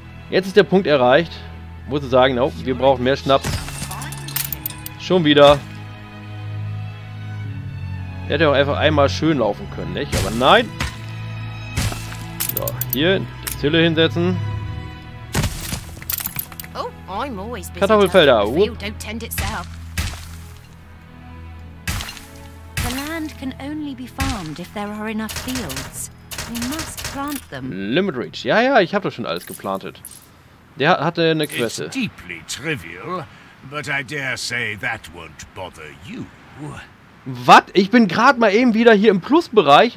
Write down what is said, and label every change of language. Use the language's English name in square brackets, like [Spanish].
[German] Jetzt ist der Punkt erreicht, wo sie sagen, no, wir brauchen mehr Schnaps. Schon wieder. Hätte auch einfach einmal schön laufen können, nicht? Aber nein. So, hier, die Zille hinsetzen. Kartoffelfelder. [English] The land can only be farmed if there are enough fields. We must plant them. Limit Reach. [German] Ja, ja, ich habe doch schon alles geplantet. Der hatte eine Quest. [English] It's deeply trivial, but I dare say that won't bother you. [German] Was? Ich bin gerade mal eben wieder hier im Plusbereich.